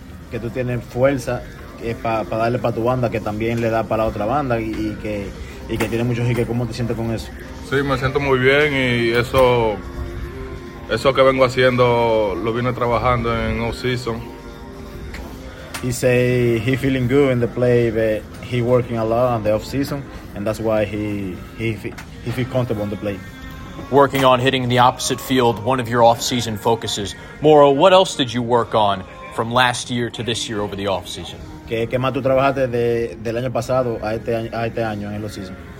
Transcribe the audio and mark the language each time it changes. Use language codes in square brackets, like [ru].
[es] Que tú tienes fuerza para darle para tu banda, que también le da para la otra banda, y que tiene muchos hits. ¿Cómo te sientes con eso? Sí, me siento muy bien, y eso que vengo haciendo lo vine trabajando en off-season. [en] He say he feeling good in the play, but he working a lot on the off-season, and that's why he feel comfortable on the play. Working on hitting the opposite field, one of your off-season focuses. Moro, what else did you work on from last year to this year over the off-season? [es] ¿Qué más tú trabajaste del año pasado a este año en el off-season?